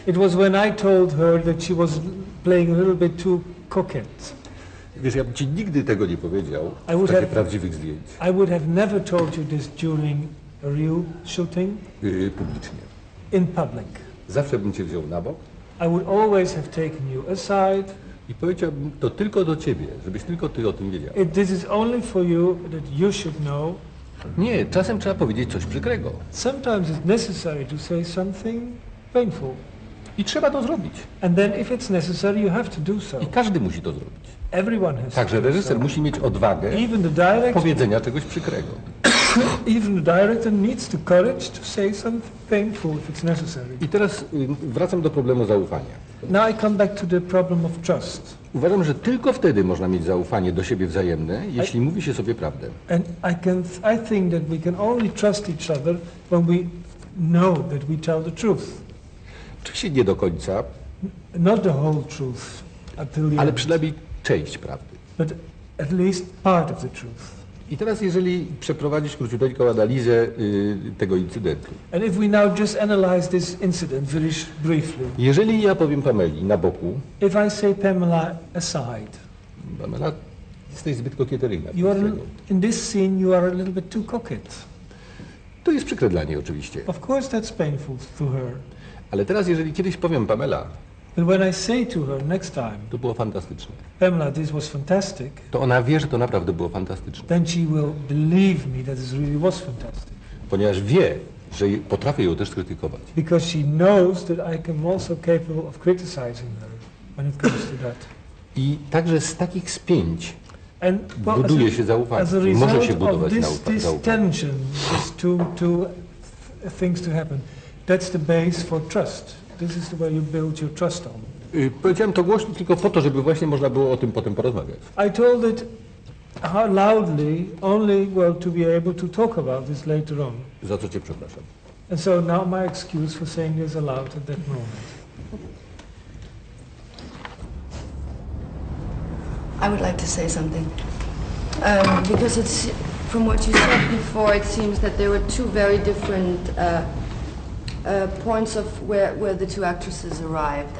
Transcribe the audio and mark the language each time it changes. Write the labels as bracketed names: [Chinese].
[English] It was when I told her that she was playing a little bit too coquette. [Polish] Wiesz, ja bym ci nigdy tego nie powiedział w trakcie prawdziwych zdjęć. [English] I would have never told you this during a real shooting. [Polish] Publicznie. [English] In public. [Polish] Zawsze bym cię wziął na bok. [English] I would always have taken you aside. [Polish] I powiedziałbym to tylko do ciebie, żebyś tylko ty o tym wiedział. [English] It, this is only for you that you should know. [Polish] Nie, czasem trzeba powiedzieć coś przykrego. [English] Sometimes it's necessary to say something painful. [Polish] I trzeba to zrobić. [English] And then if it's necessary, you have to do so. [Polish] I każdy musi to zrobić. [English] Everyone has. [Polish] Także reżyser musi mieć odwagę powiedzenia czegoś przykrego. [English] Even the director needs the courage to say something painful if it's necessary. [Polish] I teraz wracam do problemu zaufania. [English] Now I come back to the problem of trust. [Polish] Uważam, że tylko wtedy można mieć zaufanie do siebie wzajemne, jeśli mówi się sobie prawdę. [English] And I think that we can only trust each other when we know that we tell the truth. [Polish] Oczywiście nie do końca. [English] Not the whole truth. [Polish] Ale przynajmniej część prawdy. [English] But at least part of the truth. [Polish] I teraz, jeżeli przeprowadzisz króciuteńką analizę tego incydentu. [English] And if we now just analyze this incident very briefly. [Polish] Jeżeli ja powiem Pameli na boku. [English] If I say Pamela aside. [Polish] Pamela, jesteś zbyt kokieteryjna. [English] You are in this scene, you are a little bit too coquette. [Polish] To jest przykre dla niej oczywiście. [English] Of course that's painful to her. [Polish] Ale teraz, jeżeli kiedyś powiem Pamela. [English] But when I say to her next time, [Polish] to było fantastyczne. [English] Pamela, this was fantastic. [Polish] To ona wie, że to naprawdę było fantastyczne. [English] Then she will believe me that this really was fantastic. [Polish] Ponieważ wie, że potrafię ją też krytykować. [English] Because she knows that I am also capable of criticizing her when it comes to that. [Polish] I także z takich spięć buduje się zaufanie. [English] As a result [Polish] może się budować [English] of this, this tension, these two things to happen, that's the base for trust. This is where you build your trust on. [Polish] Powiedziałem to głośno tylko po to, żeby właśnie można było o tym potem porozmawiać. [English] I told it loudly only well to be able to talk about this later on. [Polish] Za co cię przepraszam. [English] And so now my excuse for saying this aloud at that moment. I would like to say something. Because it's from what you said before, it seems that there were two very different points of where the two actresses arrived.